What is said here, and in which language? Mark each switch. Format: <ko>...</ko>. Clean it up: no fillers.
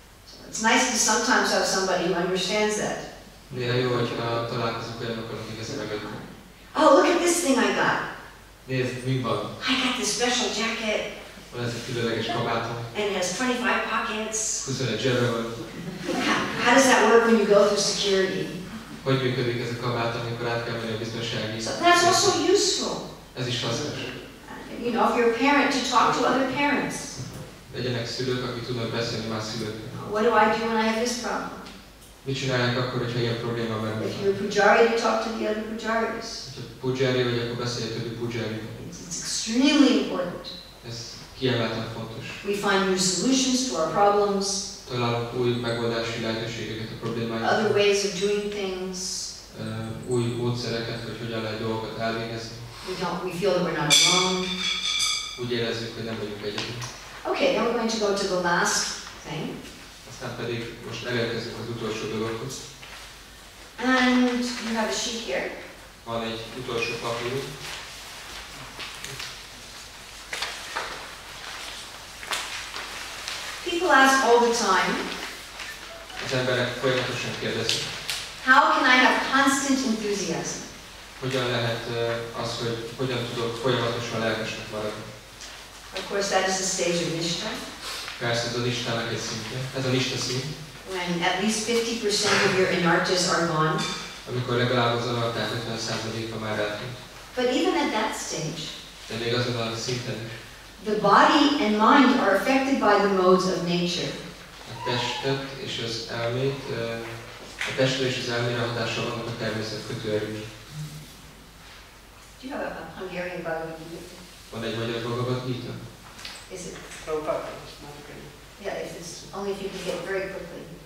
<en>So it's nice to sometimes have somebody who understands that.</en> <hu>Néha jó, hogyha találkozunk olyanokkal, akik ezt megértik.</hu> <en>Oh, look at this thing I got.</en> <hu>Nézd, mi van?</hu> <en>I got this special jacket.</en> <hu>Van ez egy különleges kabátom.</hu> <en>And it has 25 pockets.</en> <hu>25 zsebben van.</hu> <en>How does that work when you go through security?</en> <hu>Hogy működik ez a kabát, amikor át kell menni a biztonsági?</hu> <en>So that's also useful.</en> <hu>Ez is hasznos.</hu> <en>You know, if you're a parent, to talk to other parents.</en> <hu>Legyenek szülők, akik tudnak beszélni más szülőkkel.</hu> <en>What do I do when I have this problem?</en> <hu>Mit csinálják akkor, hogyha ilyen probléma van?</hu> <en>If you're a pujari, to talk to the other pujaris.</en> <hu>Ha pujari vagy, akkor beszélj a többi pujari.</hu> <en>It's extremely important.</en> <hu>Ez kiemelten fontos.</hu> <en>We find new solutions to our problems.</en> <hu>Találunk új megoldási lehetőségeket a problémáinkra.</hu> <en>Other ways of doing things.</en> <hu>Új módszereket, hogy hogyan lehet dolgokat elvégezni.</hu> <en>We feel that we're not alone.</en> <hu>Úgy érezzük, hogy nem vagyunk egyedül.</hu> <en>Okay, now we're going to go to the last thing.</en> <hu>Aztán pedig most elérkezünk az utolsó dologhoz.</hu> <en>And you have a sheet here.</en> <hu>Van egy utolsó papír.</hu> <en>People ask all the time.</en> <hu>Az emberek folyamatosan kérdezik.</hu> <en>How can I have constant enthusiasm?</en> <hu>Hogyan lehet az, hogy hogyan tudok folyamatosan lelkesnek maradni?</hu> <en>Of course, that is the stage of nishta.</en> <hu>Persze, ez a nishtának egy szintje. Ez a nishta szint.</hu> <en>When at least 50% of your inartas are gone.</en> <hu>Amikor legalább az anartát 50%-a már eltűnt.</hu> <en>But even at that stage.</en> <hu>De még azon a szinten is.</hu> <en>The body and mind are affected by the modes of nature.</en> <hu>A testet és az elmét, a testre és az elmére hatással vannak a természet kötőerők.</hu> <en>Do you have a Hungarian</en> <hu>Bhagavad Gita? Van egy magyar</hu> <en>Bhagavad Gita? Is it? Yeah, if it's only if you can get it very quickly.</en>